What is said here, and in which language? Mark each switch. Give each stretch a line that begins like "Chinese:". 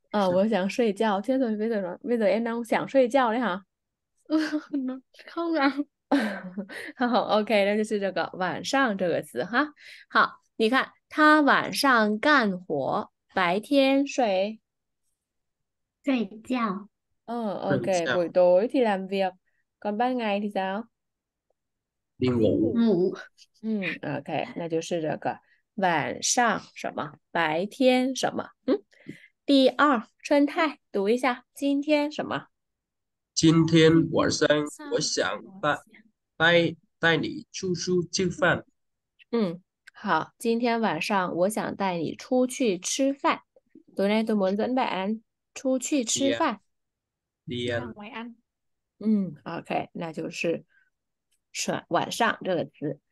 Chinese: 我想睡觉。天都没得说，没得哎，那我想睡觉了哈。能看啊。好，OK，那就是这个晚上这个词哈。好，你看他晚上干活，白天睡。睡觉，
Vietnamese: OK，buổi tối thì làm việc, còn ban ngày thì sao? đi Đi ngủ. ngủ.
Chinese: OK，那就是这个晚上什么，白天什么？第二，春泰读一下，今天什么？今天晚上晚上我想我想，带你出去吃饭。好，今天晚上我想带你出去吃饭。
Vietnamese: tối nay tôi muốn dẫn bạn
Chinese: 出去吃饭。
Vietnamese: đi ăn Vậy anh.
Chinese: OK，那就是晚上这个词。